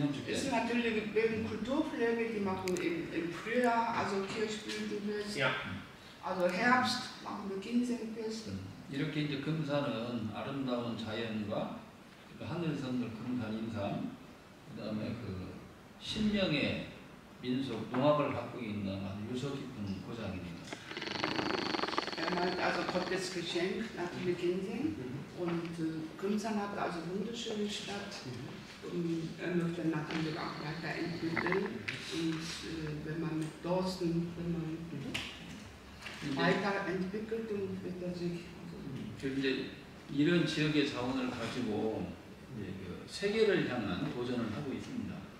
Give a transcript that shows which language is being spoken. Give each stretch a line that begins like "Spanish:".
German: Es ist natürlich wegen Kulturpflege, die machen im Frühjahr also Kirschblütenfest. Ja. Also Herbst machen wir Ginsengfest.
Korean: 이렇게 이제 금산은 아름다운 자연과 그 하늘성들 금산 인삼 그다음에 그 신명의 민속 농합을 갖고 있는 아주 유서 깊은 고장입니다.
German: Er meint also Gottes Geschenk nach dem Ginseng und Gümsan hat also wunderschöne Stadt und er möchte natürlich auch weiter entwickeln und wenn man mit Dorsten, wenn man weiter entwickelt und wird er sich
Korean: 이제 이런 지역의 자원을 가지고 이제 그 세계를 향한 도전을 하고 있습니다.